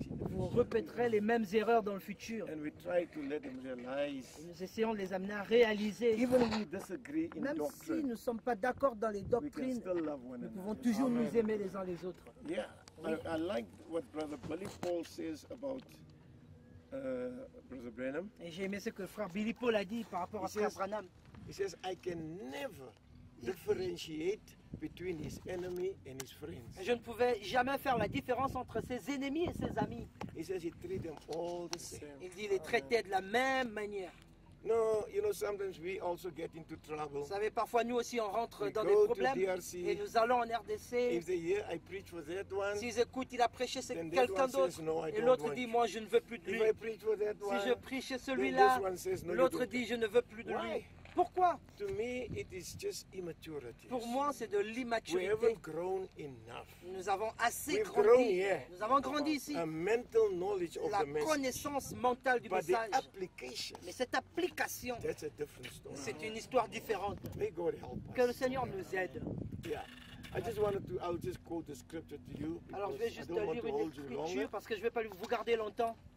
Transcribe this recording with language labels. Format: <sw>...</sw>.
<fr>Vous répéterez les mêmes erreurs dans le futur.</fr> <en>And we try to let them realize.</en> <fr>Et nous essayons de les amener à réaliser.</fr> <en>Even if we disagree in</en> <fr>même</fr> <en>doctrine,</en> <fr>si nous ne sommes pas d'accord dans les doctrines,</fr> <en>we can still love one</en> <fr>nous</fr> <en>another.</en> <fr>Pouvons toujours amen. Nous aimer les uns les autres. Yeah, oui.</fr> <en>I like what Brother Billy Paul says about Brother Branham.</en> <fr>Et j'ai aimé ce que le frère Billy Paul a dit par rapport</fr> <en>he</en> <fr>à Frère Branham.</fr> <en>He says, I can never differentiate between his enemy and his friends.</en> <fr>Je ne pouvais jamais faire la différence entre ses ennemis et ses amis.</fr> <en>He says he treat them all the same.</en> <fr>Il dit les traitait de la même manière.</fr> <en>No, you know, sometimes we also get into trouble.</en> <fr>Vous savez, parfois nous aussi on rentre dans des problèmes</fr> <en>DRC,</en> <fr>et nous allons en RDC.</fr> <en>If they hear, I preach for that one,</en> <fr>s'ils écoutent, il a prêché chez quelqu'un d'autre.</fr> <en>Says, no,</en> <fr>et l'autre dit, moi je ne veux plus de lui.</fr> <en>If I preach for that one,</en> <fr>si je prie chez celui-là,</fr> <en>says, no,</en> <fr>l'autre dit, je ne veux plus de</fr> <en>why?</en> <fr>Lui. Pourquoi?</fr> <en>To me, it is just immaturity.</en> <fr>Pour moi, c'est de l'immaturité.</fr> <en>We haven't grown enough.</en> <fr>Nous avons assez</fr> <en>We've</en> <fr>grandi.</fr> <en>Grown, yeah.</en> <fr>Nous avons grandi ici.</fr> <en>A mental knowledge of</en> <fr>la</fr> <en>the</en> <fr>connaissance</fr> <en>message.</en> <fr>Mentale du</fr> <en>But</en> <fr>message.</fr> <en>The application,</en> <fr>mais cette application,</fr> <en>that's a different story.</en> <fr>C'est une histoire différente.</fr> <en>May God help us.</en> <fr>Que le Seigneur nous aide.</fr> <en>Yeah. I just wanted to, I'll just quote the scripture to you.</en> <fr>Alors, je vais juste lire une écriture parce que je ne vais pas vous garder longtemps.</fr>